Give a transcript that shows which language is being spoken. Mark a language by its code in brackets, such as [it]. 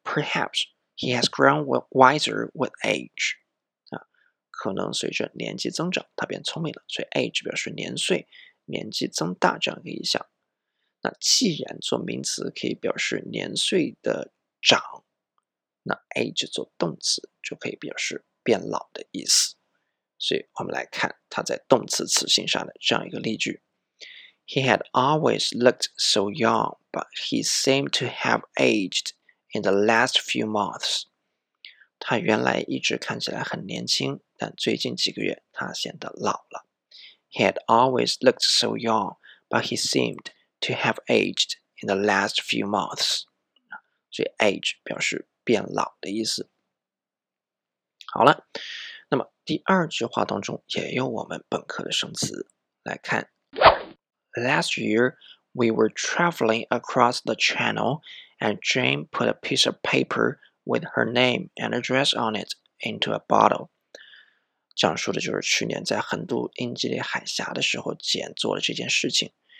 [en] Perhaps he has grown wiser with age， [zh] 可能随着年纪增长他变聪明了，所以 age 表示年岁，年纪增大这样一个意象。那既然做名词可以表示年岁的长，那 age 做动词就可以表示变老的意思，所以我们来看它在动词词性上的这样一个例句。 [en] He had always looked so young, but he seemed to have aged in the last few months. [zh] 他原来一直看起来很年轻，但最近几个月他显得老了。 [en] He had always looked so young, but he seemed to have aged in the last few months. [zh] 所以 age 表示变老的意思。好了，那么第二句话当中也有我们本科的生词，来看。 [en] Last year we were traveling across the channel and Jane put a piece of paper with her name and address on it into a bottle， [zh] 讲述的就是去年在横渡英吉利海峡的时候简做了这件事情。